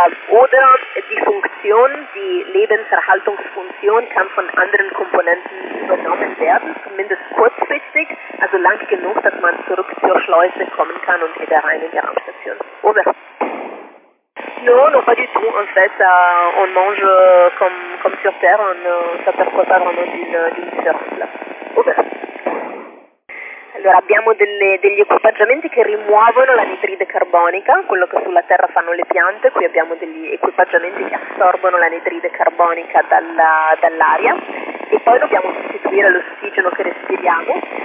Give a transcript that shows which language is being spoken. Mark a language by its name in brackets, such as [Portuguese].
[German] Oder die Funktion, die Lebenserhaltungsfunktion kann von anderen Komponenten übernommen werden, zumindest kurzfristig, also lang genug, dass man zurück zur Schleuse kommen kann und wieder rein in die Raumstation. Oder? [French] Non, pas du tout. En fait, on mange comme sur Terre, on ne s'aperçoit pas vraiment d'une différence là. Ouvert. [Italian] Allora, abbiamo degli equipaggiamenti che rimuovono l'anidride carbonica, quello che sulla Terra fanno le piante, qui abbiamo degli equipaggiamenti che assorbono l'anidride carbonica dall'aria e poi dobbiamo sostituire l'ossigeno che respiriamo.